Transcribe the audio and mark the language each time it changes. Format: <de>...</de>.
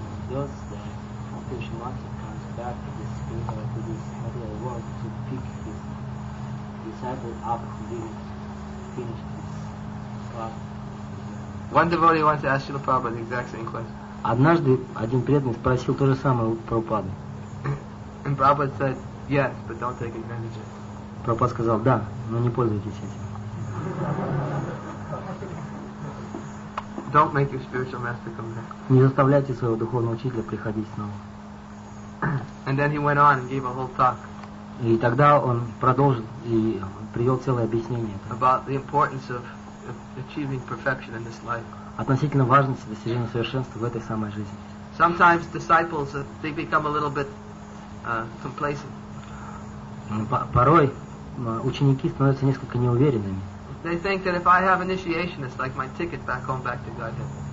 <en>Just that occasional matter comes back to this spiritual, to this material world, to pick his disciple up who didn't finish this part. One devotee wants to ask Srila Prabhupada the exact same question.</en> <ru>Однажды один преданный спросил то же самое у Прабхупады.</ru> <en>And Prabhupada said, yes, but don't take advantage of it.</en> <ru>Прабхупада сказал, да, но не пользуйтесь этим.</ru> <en>Don't make your spiritual master come back.</en> <ru>Не заставляйте своего духовного учителя приходить снова.</ru> <en>And then he went on and gave a whole talk.</en> <ru>И тогда он продолжил и привел целое объяснение.</ru> <en>About the importance of achieving perfection in this life.</en> <ru>Относительно важности достижения совершенства в этой самой жизни.</ru> <en>Sometimes disciples, they become a little bit complacent.</en> <ru>Порой ученики становятся несколько неуверенными.</ru> <en>They think that if I have initiation, it's like my ticket back home, back to Godhead.</en>